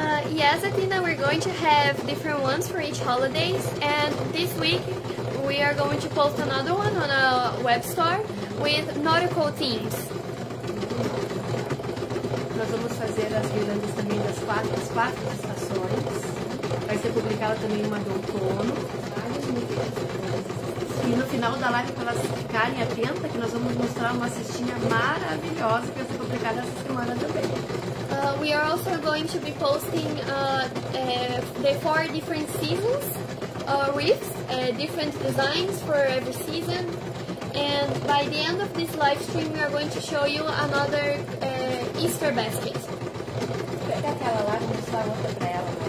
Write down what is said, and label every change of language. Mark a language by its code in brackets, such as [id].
[en] Yes, Athena, we're going to have different ones for each holidays, and this week we are going to post another one on a web store with nautical themes. [pt] Nós vamos fazer as guirlandas também das quatro estações. Vai ser publicada também uma do outono. E no final da live, para elas ficarem atentas, que nós vamos mostrar uma cestinha maravilhosa que vai ser publicada essa semana também. [en] We are also going to be posting the four different seasons reefs, different designs for every season. And by the end of this live stream, we are going to show you another Easter basket. [pt] Pega aquela lá, vou mostrar a outra pra ela.